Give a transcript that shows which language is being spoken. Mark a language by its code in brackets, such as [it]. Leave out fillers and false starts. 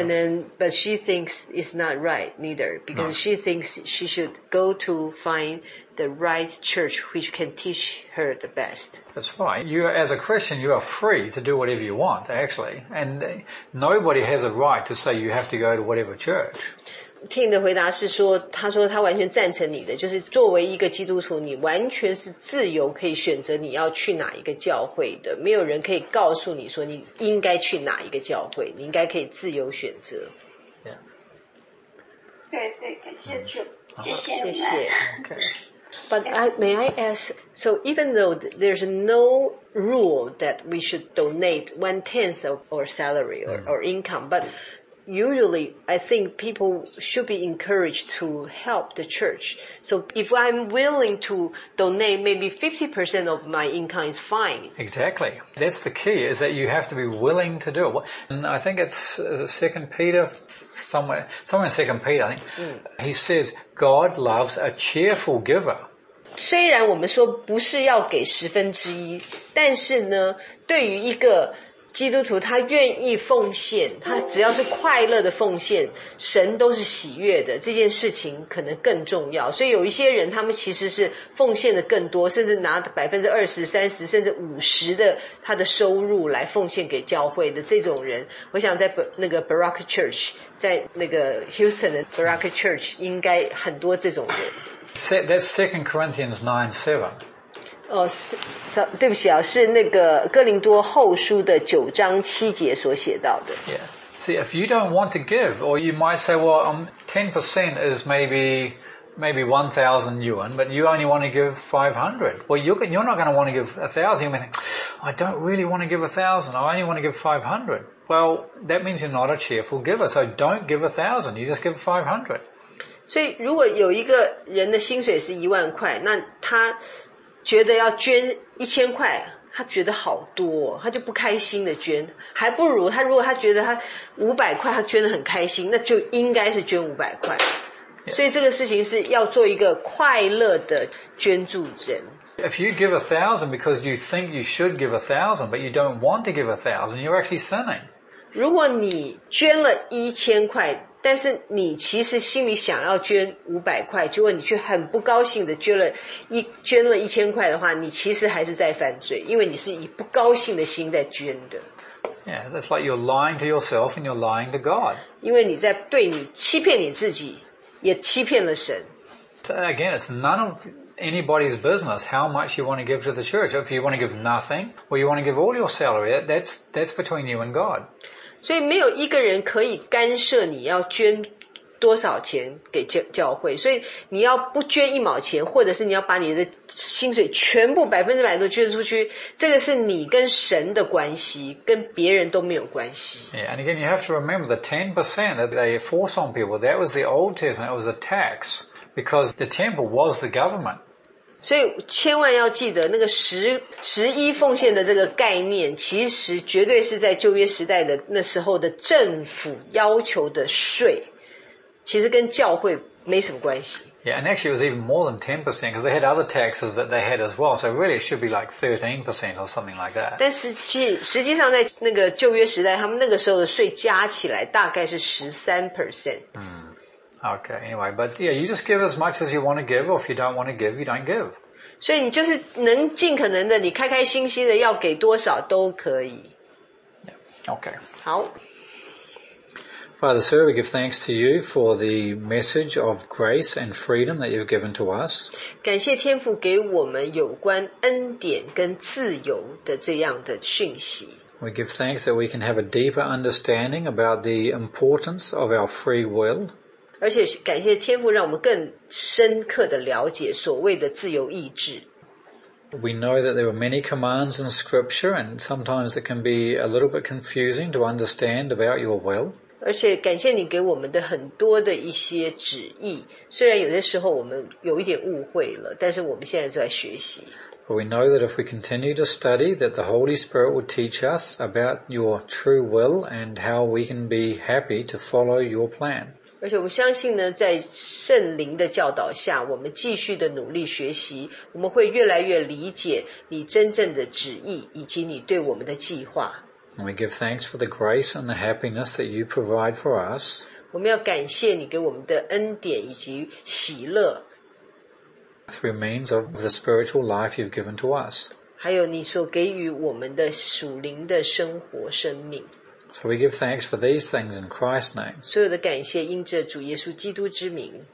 [en] And then, but she thinks it's not right neither, because she thinks she should go to find the right church which can teach her the best. That's right. You, as a Christian, you are free to do whatever you want, actually. And nobody has a right to say you have to go to whatever church. [zh] Tim 的回答是说，他说他完全赞成你的，就是作为一个基督徒，你完全是自由可以选择你要去哪一个教会的，没有人可以告诉你说你应该去哪一个教会，你应该可以自由选择。 [en] Yeah. [zh] 对对，感谢主，谢谢你。谢谢。 [en] Okay. But may I ask? So even though there's no rule that we should donate 1/10 of our salary or income, but usually, I think people should be encouraged to help the church. So if I'm willing to donate, maybe 50% of my income is fine. Exactly. That's the key, is that you have to be willing to do it. And I think it's 2 Peter, somewhere in 2 Peter, I think, he says, God loves a cheerful giver. [zh] 虽然我们说不是要给十分之一，但是呢，对于一个基督徒他愿意奉献，他只要是快乐的奉献，神都是喜悦的，这件事情可能更重要。所以有一些人他们其实是奉献的更多，甚至拿 20%、30% 甚至 50% 的他的收入来奉献给教会的这种人，我想在那个 Baraka Church， 在那个 Houston 的 Baraka Church 应该很多这种人。 [en] That's 2 Corinthians 9:7 [zh] 哦，对不起啊，是那个哥林多后书的9:7所写到的。 [en] Yeah. See, if you don't want to give, or you might say, well, 10% is maybe 1,000 yuan, but you only want to give 500. Well, you're not going to want to give 1,000. You may think, I don't really want to give 1,000. I only want to give 500. Well, that means you're not a cheerful giver. So don't give 1,000. You just give 500. [zh] 所以如果有一个人的薪水是一万块，那他觉得要捐1000块，他觉得好多、哦、他就不开心的捐，还不如他如果他觉得他500块他捐得很开心，那就应该是捐500块、yeah. 所以这个事情是要做一个快乐的捐助人。 [en] If you give 1,000 because you think you should give 1,000 but you don't want to give 1,000, you're actually sinning. [zh] 如果你捐了1000块，但是你其实心里想要捐500块，结果你却很不高兴的捐了1000块的话，你其实还是在犯罪，因为你是以不高兴的心在捐的。 [en] Yeah, that's like you're lying to yourself and you're lying to God. [zh] 因为你在对你欺骗你自己，也欺骗了神。 [en] So、again, it's none of anybody's business how much you want to give to the church. If you want to give nothing, or you want to give all your salary, that's between you and God. [zh] 所以没有一个人可以干涉你要捐多少钱给教会，所以你要不捐一毛钱，或者是你要把你的薪水全部100%都捐出去，这个是你跟神的关系，跟别人都没有关系。 [en] Yeah, and again you have to remember the 10% that they force on people, that was the Old Testament, it was a tax because the temple was the government. [zh] 所以千万要记得那个十一奉献的这个概念，其实绝对是在旧约时代的那时候的政府要求的税，其实跟教会没什么关系。 [en] Yeah, and actually it was even more than 10% because they had other taxes that they had as well, so really it should be like 13% or something like that. [zh] 但实际上在那个旧约时代，他们那个时候的税加起来大概是 13%、 mm. [en] Okay, anyway, but yeah, you just give as much as you want to give, or if you don't want to give, you don't give. [zh] 所以你就是能尽可能的，你开开心心的要给多少都可以。 [en] Yeah, okay. [zh] 好。 [en] Father, sir, we give thanks to you for the message of grace and freedom that you've given to us. [zh] 感谢天父给我们有关恩典跟自由的这样的讯息。 [en] We give thanks that we can have a deeper understanding about the importance of our free will. [zh] 而且感谢天父让我们更深刻的了解所谓的自由意志。 [en] We know that there are many commands in scripture and sometimes it can be a little bit confusing to understand about your will. [zh] 而且感谢你给我们的很多的一些旨意，虽然有些时候我们有一点误会了，但是我们现在在学习。 [en] But we know that if we continue to study that the Holy Spirit will teach us about your true will and how we can be happy to follow your plan. [zh] 而且我们相信呢，在圣灵的教导下，我们继续的努力学习，我们会越来越理解你真正的旨意以及你对我们的计划。 [en] We give thanks for the grace and the happiness that you provide for us. [zh] 我们要感谢你给我们的恩典以及喜乐。 [en] Through means of the spiritual life you've given to us. [zh] 还有你所给予我们的属灵的生活生命。 [en] So we give thanks for these things in Christ's name. [zh] 所有的感谢因着主耶稣基督之名。